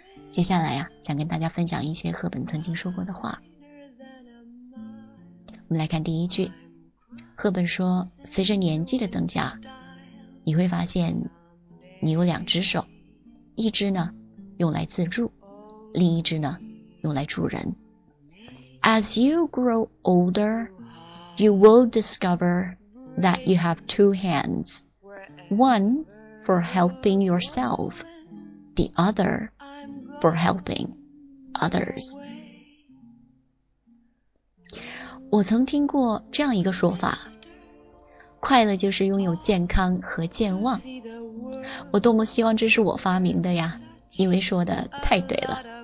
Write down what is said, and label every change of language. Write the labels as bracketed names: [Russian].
[Chinese] 接下来呀、想跟大家分享一些赫本曾经说过的话。我们来看第一句，赫本说，随着年纪的增加，你会发现你有两只手，一只呢用来自助，另一只呢用来助人。 [English] As you grow older, you will discover that you have two hands, one for helping yourself, the other for helping others. [Chinese] 我曾听过这样一个说法，快乐就是拥有健康和健忘。我多么希望这是我发明的呀，因为说的太对了。